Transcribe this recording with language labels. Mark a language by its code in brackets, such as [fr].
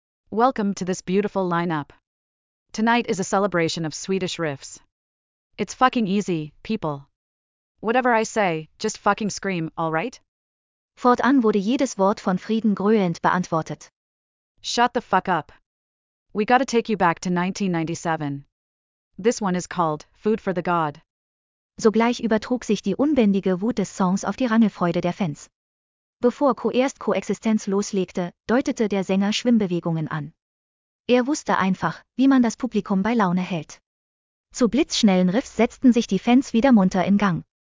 [en] Welcome to this beautiful lineup. Tonight is a celebration of Swedish riffs. It's fucking easy, people. Whatever I say, just fucking scream, alright? [de] Fortan wurde jedes Wort von Frieden gröhlend beantwortet. [en] Shut the fuck up. We gotta take you back to 1997. This one is called Food for the God. [de] Sogleich übertrug sich die unbändige Wut des Songs auf die Rangelfreude der Fans. Bevor erst Koexistenz loslegte, deutete der Sänger Schwimmbewegungen an. Er wusste einfach, wie man das Publikum bei Laune hält. Zu blitzschnellen Riffs setzten sich die Fans wieder munter in Gang.